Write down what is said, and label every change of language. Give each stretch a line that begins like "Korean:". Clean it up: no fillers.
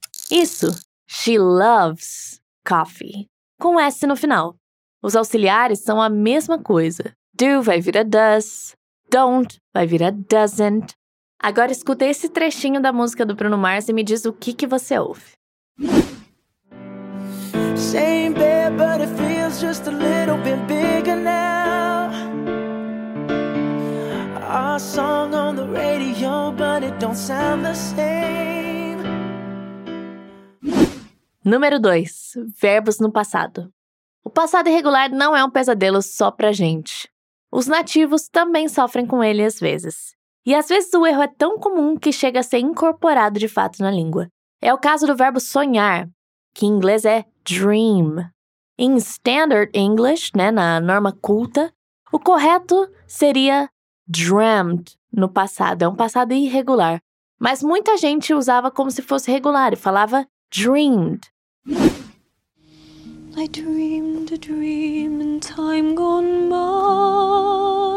Portuguese: Isso.
English: She loves coffee.
Portuguese: Com S no final. Os auxiliares são a mesma coisa. Do vai virar does. Don't vai virar doesn't. Agora escuta esse trechinho da música do Bruno Mars e me diz o que você ouve.
English: Same bed, but it feels just a little bit bigger now. Our song on the radio, but it don't sound the same.
Portuguese: Número 2. Verbos no passado. O passado irregular não é um pesadelo só pra gente. Os nativos também sofrem com ele às vezes. E às vezes o erro é tão comum que chega a ser incorporado de fato na língua. É o caso do verbo sonhar, que em inglês é dream. Em standard English, né, na norma culta, o correto seria dreamt no passado. É um passado irregular. Mas muita gente usava como se fosse regular e falava dreamed.
English: I dreamed a dream in time gone by.